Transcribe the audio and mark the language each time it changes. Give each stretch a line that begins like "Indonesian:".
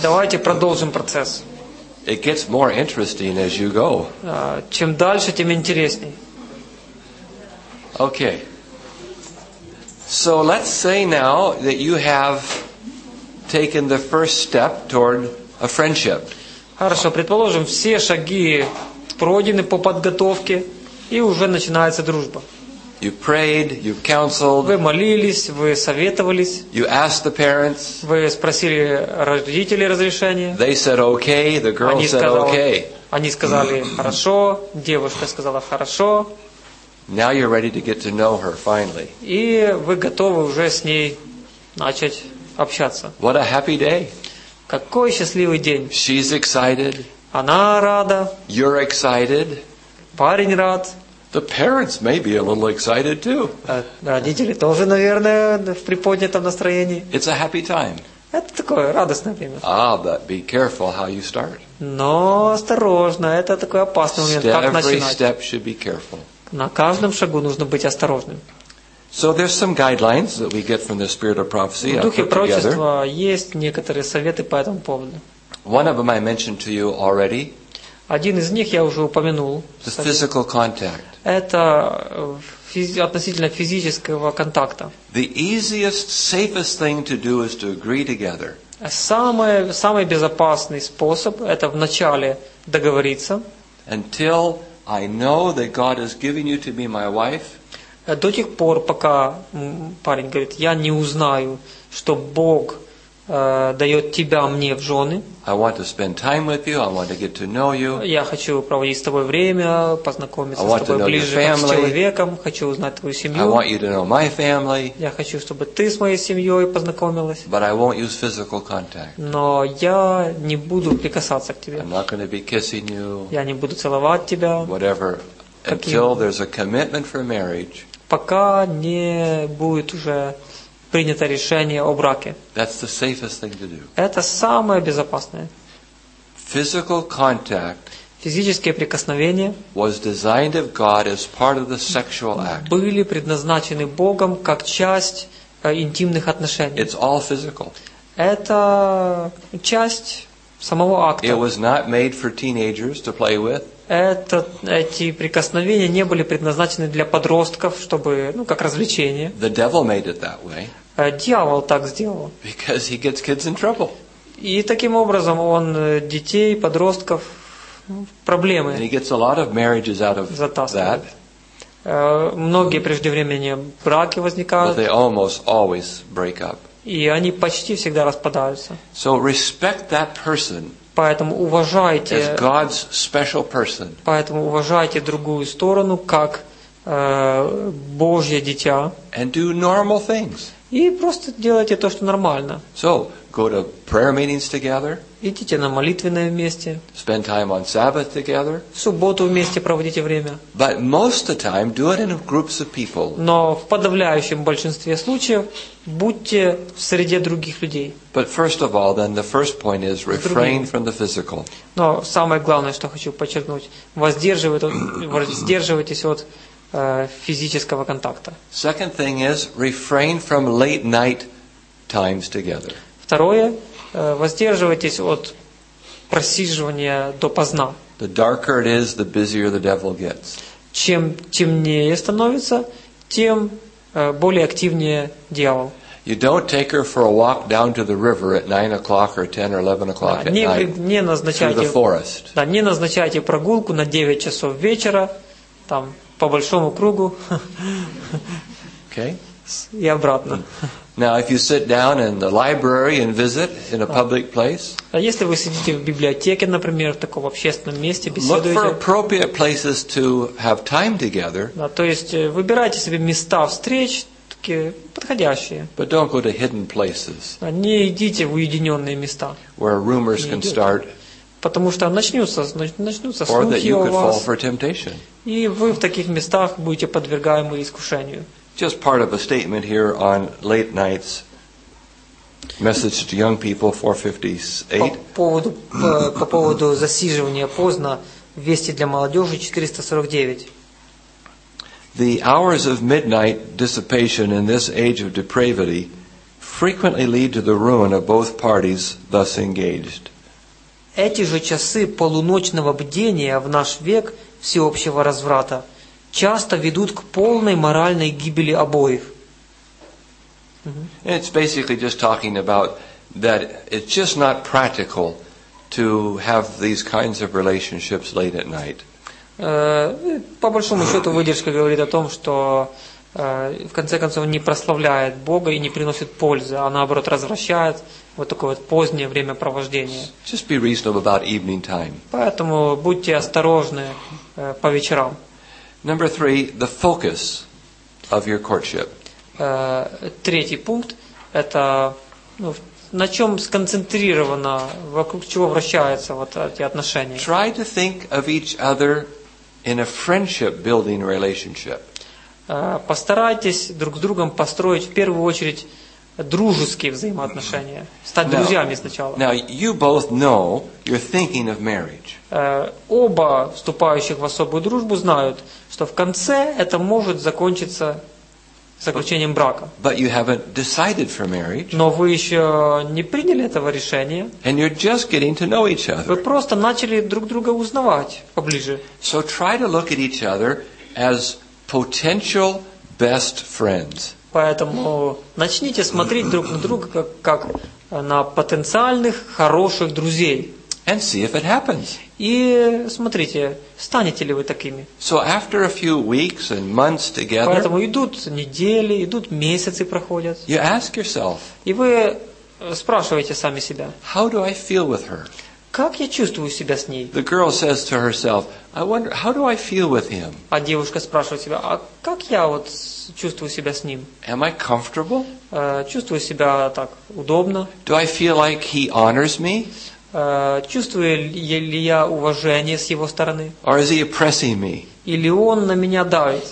Russian: Давайте продолжим процесс.
English: It gets more interesting as you go.
Russian: Чем дальше, тем интересней.
English: Okay. So let's say now that you have taken the first step toward a friendship.
Russian: Хорошо, предположим, все шаги пройдены по подготовке, и уже начинается дружба.
English: You prayed, you counseled.
Russian: Вы молились, вы советовались.
English: You asked the parents.
Russian: Вы спросили родителей разрешения.
English: They said okay, the girl said okay.
Russian: Они сказали хорошо, девушка сказала хорошо.
English: Now you're ready to get to know her finally.
Russian: И вы готовы уже с ней начать общаться.
English: What a happy day.
Russian: Какой счастливый день.
English: She's excited.
Russian: Она рада.
English: You're excited.
Russian: Парень рад.
English: The parents may be a little excited too.
Russian: Родители тоже, наверное, в приподнятом настроении.
English: It's a happy time.
Russian: Это такое радостное время.
English: Ah, but be careful how you start.
Russian: Но осторожно, это такой опасный момент, как начинать.
English: Every step should be careful.
Russian: На каждом шагу нужно быть осторожным.
English: So there's some guidelines that we get from the spirit of prophecy.
Russian: В духе пророчества есть некоторые советы по этому поводу.
English: One of them I mentioned to you already.
Russian: Один из них я уже упомянул.
English: The physical contact.
Russian: Это относительно физического контакта.
English: The easiest, safest thing to do is to agree together.
Russian: Самый безопасный способ – это вначале договориться.
English: Until I know that God has given you to be my wife.
Russian: До тех пор, пока парень говорит, я не узнаю, что Бог дает тебя мне в жены.
English: I want to spend time with you, I want to get to know you.
Russian: Я хочу проводить с тобой время, познакомиться с тобой ближе, с человеком, хочу узнать твою семью.
English: I want you to know my family.
Russian: Я хочу, чтобы ты с моей семьей познакомилась.
English: But I won't use physical contact.
Russian: Но я не буду прикасаться к тебе.
English: I'm not going to be kissing you.
Russian: Я не буду целовать тебя.
English: Whatever. Until there's a commitment for marriage.
Russian: Пока не будет уже принято решение о браке.
English: That's the safest thing to do.
Russian: Это самое безопасное.
English: Physical contact.
Russian: Физические прикосновения.
English: Was designed of God as part of the sexual act.
Russian: Были предназначены Богом как часть интимных отношений.
English: It's all physical.
Russian: Это часть самого акта.
English: It was not made for teenagers to play with.
Russian: Эти прикосновения не были предназначены для подростков, чтобы, ну, как развлечение.
English: The devil made it that way.
Russian: Дьявол так сделал.
English: Because he gets kids in trouble.
Russian: И таким образом он детей, подростков в проблемы.
English: And he gets a lot of marriages out of that.
Russian: Многие преждевременные браки возникают.
English: But they almost always break up.
Russian: И они почти всегда распадаются.
English: So respect that person.
Russian: Поэтому уважайте.
English: As God's special person.
Russian: Поэтому уважайте другую сторону как Божье дитя.
English: And do normal things.
Russian: И просто делайте то, что нормально.
English: So, go to prayer meetings together.
Russian: Идите на молитвенное вместе.
English: Spend time on Sabbath together.
Russian: В субботу вместе проводите время.
English: But most of the time, do it in groups of people.
Russian: Но в подавляющем большинстве случаев будьте в среде других людей.
English: But first of all, then the first point is refrain from the physical.
Russian: Но самое главное, что хочу подчеркнуть, воздерживайтесь от физического контакта.
English: Second thing is refrain from late night times together.
Russian: Второе, воздерживайтесь от просиживания допоздна.
English: The darker it is, the busier the devil gets.
Russian: Чем темнее становится, тем более активнее дьявол.
English: You don't take her for a walk down to the river at 9 o'clock or 10 or 11 o'clock at night.
Russian: Не назначайте
English: through the forest.
Russian: Да, не назначайте прогулку на 9 часов вечера там. По большому кругу.
English: Okay.
Russian: И обратно.
English: Now, if you sit down in the library and visit in a public place.
Russian: А если вы сидите в библиотеке, например, в таком общественном месте, беседуете.
English: Look for appropriate places to have time together.
Russian: Да, то есть выбирайте себе места встреч такие подходящие.
English: But don't go to hidden places.
Russian: Не идите в уединенные места.
English: Where rumors can start.
Russian: Потому что начнутся слухи о вас, и вы в таких местах будете подвергаемы искушению.
English: Just part of a statement here on late nights. Message to young people 458.
Russian: По поводу засиживания поздно. Вести для молодежи 449.
English: The hours of midnight dissipation in this age of depravity frequently lead to the ruin of both parties thus engaged.
Russian: Эти же часы полуночного бдения в наш век всеобщего разврата часто ведут к полной моральной гибели обоих.
English: It's basically just talking about that it's just not practical to have these kinds of relationships late at night.
Russian: По большому счету выдержка говорит о том, что в конце концов не прославляет Бога и не приносит пользы, а наоборот развращает вот такое вот позднее времяпровождение.
English: Just be reasonable about evening time.
Russian: Поэтому будьте осторожны по вечерам.
English: Number three, the focus of your courtship.
Russian: Третий пункт – это на чем сконцентрировано, вокруг чего вращаются вот эти отношения.
English: Try to think of each other in a friendship-building relationship.
Russian: Постарайтесь друг с другом построить в первую очередь дружеские взаимоотношения, стать друзьями сначала.
English: Now you both know you're thinking of marriage.
Russian: Оба вступающих в особую дружбу знают, что в конце это может закончиться заключением брака.
English: But you haven't decided for marriage.
Russian: Но вы еще не приняли этого решения.
English: And you're just getting to know each other.
Russian: Вы просто начали друг друга узнавать поближе.
English: So try to look at each other as potential best friends.
Russian: Поэтому начните смотреть друг на друга как на потенциальных хороших друзей.
English: And see if it happens.
Russian: И смотрите, станете ли вы такими.
English: So after a few weeks and months together.
Russian: Поэтому идут недели, идут месяцы проходят.
English: You ask yourself.
Russian: И вы спрашиваете сами себя.
English: How do I feel with her?
Russian: Как я чувствую себя с ней?
English: The girl says to herself, I wonder how do I feel with him?
Russian: А девушка спрашивает себя, а как я вот чувствую себя с ним?
English: Am I comfortable?
Russian: Чувствую себя так удобно?
English: Do I feel like he honors me?
Russian: Чувствую ли я уважение с его стороны?
English: Or is he oppressing me?
Russian: Или он на меня давит?